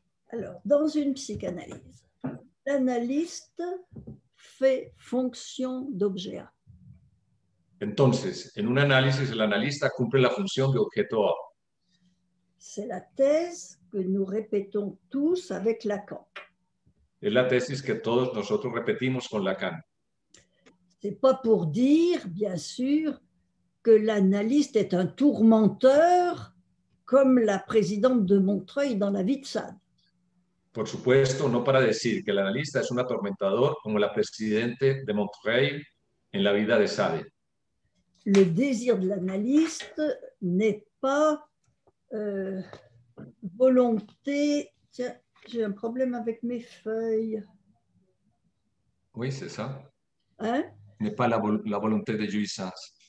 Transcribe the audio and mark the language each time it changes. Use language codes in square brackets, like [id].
[fr] Alors, dans une psychanalyse, l'analyste fait fonction d'objet A. [es] Entonces, en un análisis, el analista cumple la función de objeto A. [fr] C'est la thèse que nous répétons tous avec Lacan. [es] Es la tesis que todos nosotros repetimos con Lacan. [fr] Ce n'est pas pour dire, bien sûr, que l'analyste est un tourmenteur comme la présidente de Montreuil dans la vie de Sade. [es] Por supuesto, no para decir que el analista es un atormentador como la presidente de Montreuil en la vida de Sade. [fr] Le désir de l'analyste n'est pas volonté. Tiens, j'ai un problème avec mes feuilles. Oui, c'est ça. Hein? N'est pas la volonté de jouissance.